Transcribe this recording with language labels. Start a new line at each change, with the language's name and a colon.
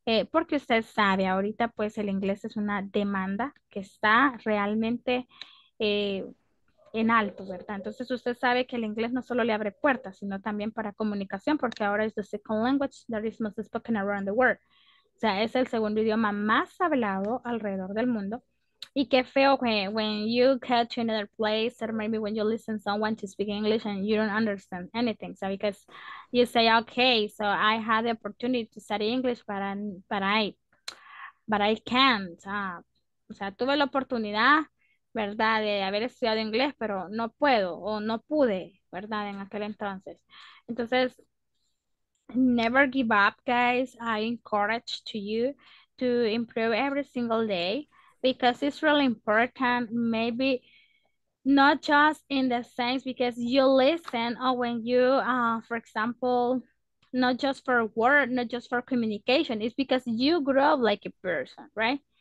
Spanish: Porque usted sabe, ahorita pues el inglés es una demanda que está realmente en alto, ¿verdad? Entonces usted sabe que el inglés no solo le abre puertas, sino también para comunicación, porque ahora es
English: the second language that is most spoken around the world.
Spanish: O sea, es el segundo idioma más hablado alrededor del mundo. Y qué feo,
English: when you get to another place, or maybe when you listen someone to speak English and you don't understand anything. So, because you say, okay, so I had the opportunity to study English, but I can't.
Spanish: O sea, tuve la oportunidad, ¿verdad?, de haber estudiado inglés, pero no puedo o no pude, ¿verdad?, en aquel entonces.
English: Entonces, never give up, guys. I encourage to you to improve every single day. Because it's really important, maybe not just in the sense because you listen or when you, for example, not just for work, not just for communication, it's because you grow like a person, right?